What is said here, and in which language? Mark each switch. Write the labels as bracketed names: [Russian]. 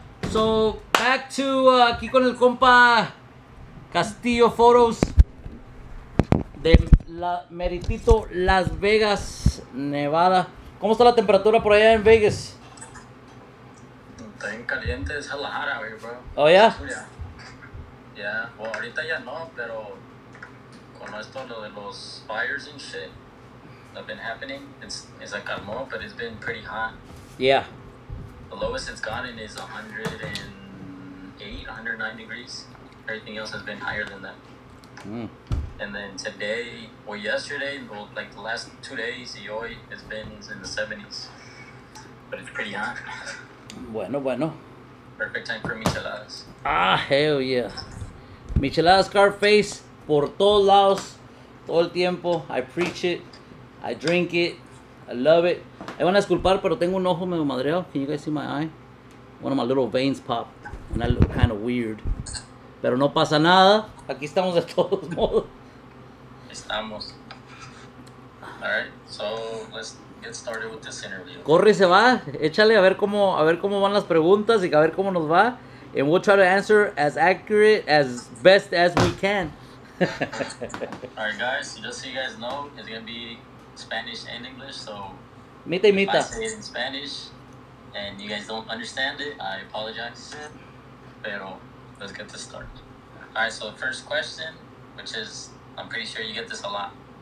[English] So, back to [Spanish] aquí con el compa Castillo Photos de Meritito Las Vegas, Nevada. ¿Cómo está la temperatura por allá en Vegas? Está bien caliente, es la jara, güey, bro. ¿Oh, ya? [English] Ya, yeah. Well, [Spanish] ahorita ya no, pero con esto, lo de los [English] fires and shit that have been happening, it's a calmo, but it's been pretty hot. Yeah. The lowest it's gotten is 108, 109 degrees. Everything else has been higher than that. And then today, or yesterday, or like the last 2 days, [Spanish] y hoy, [English] it's been in the 70s. But it's pretty hot. [Spanish] Bueno. [English] Perfect time for micheladas. Ah, hell yeah. [Spanish] Micheladas, Scarface, por todos lados, todo el tiempo. [English] I preach it, I drink it, I love it. [Spanish] Me van a disculpar, pero tengo un ojo medio madreado. [English] Can you guys see my eye? One of my little veins pop, and I look kind of weird. [Spanish] Pero no pasa nada. Aquí estamos de todos modos. Estamos. [English] Alright, so let's get started with this interview. [Spanish] Corre y se va. Échale a ver cómo van las preguntas y a ver cómo nos va. [English] And we'll try to answer as accurate, as best as we can. Alright, guys, just so you guys know, it's going to be Spanish and English. So, [Spanish] mita y mita. [English] If I say it in Spanish and you guys don't understand it, I apologize. [Spanish] Pero [English] let's get this started. All right, so the first question, which is, I'm pretty sure you get this a lot.